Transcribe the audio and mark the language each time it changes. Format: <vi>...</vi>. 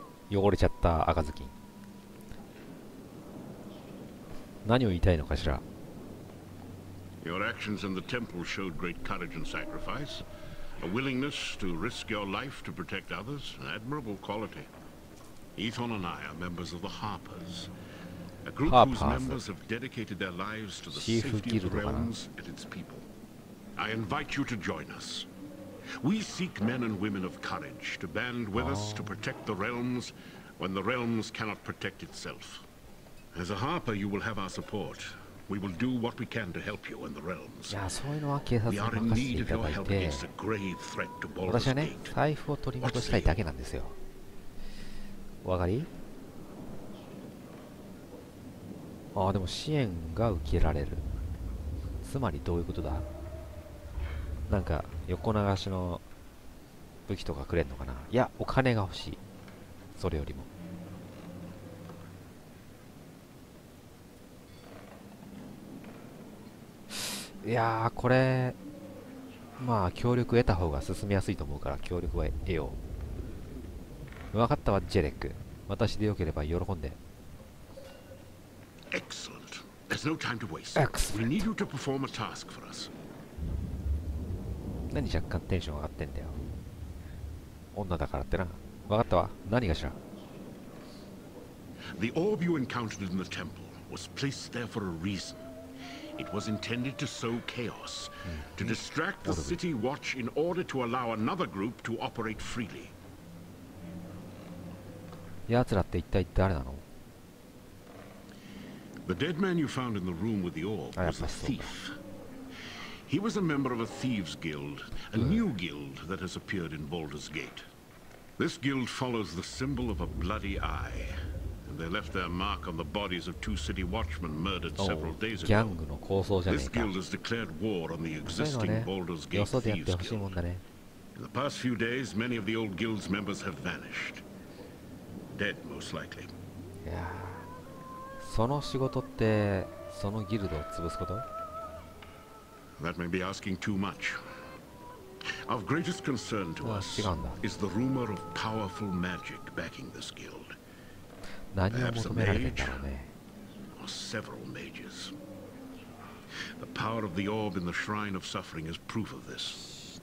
<ja>汚れちゃった赤ずきん。何を言いたいのかしら。</ja> <en>Your actions in the temple showed great courage and sacrifice. A willingness to risk your life to protect others, an admirable quality. Ethan and I are members of the Harpers, a group whose members have dedicated their lives to the safety of the realms and its people. I invite you to join us. We seek men and women of courage to band with us to protect the realms when the realms cannot protect itself. As a Harper, you will have our support. We will do what we can to help you in the realms. We are in need of your help against a grave threat to Baldur's Gate.</en> <ja>私はね、財布を取り戻したいだけなんですよ。わかり？ああ、でも支援が受けられる。つまりどういうことだ？なんか横流しの武器とかくれんのかな？いや、お金が欲しい。それよりも。いやー、これまあ協力得た方が進みやすいと思うから協力は得よう。わかったわ、ジェレック。私でよければ喜んで。</ja> <en>Excellent. There's no time to waste. We need you to perform a task for us.</en> <ja>何、若干テンション上がってんだよ。女だからってな。分かったわ。何がしら。</ja> <en>The orb you encountered in the temple was placed there for a reason. It was intended to sow chaos, to distract the city watch in order to allow another group to operate freely.</en> <ja>やつらって一体誰なの？</ja> <en>The dead man you found in the room with the orb was a thief. He was a member of a thieves guild, a new guild that has appeared in Baldur's Gate. This guild follows the symbol of a bloody eye. They left their mark on the bodies of two city watchmen murdered several days ago. This guild has declared war on the existing Baldur's Gate thieves guild. In the past few days, many of the old guild's members have vanished. Dead, most likely. Yeah.</en> <ja>その仕事ってそのギルドを潰すこと?</ja> <en>That may be asking too much. Of greatest concern to us is the rumor of powerful magic backing this guild. Perhaps a mage, or several mages. The power of the orb in the Shrine of Suffering is proof of this.</en>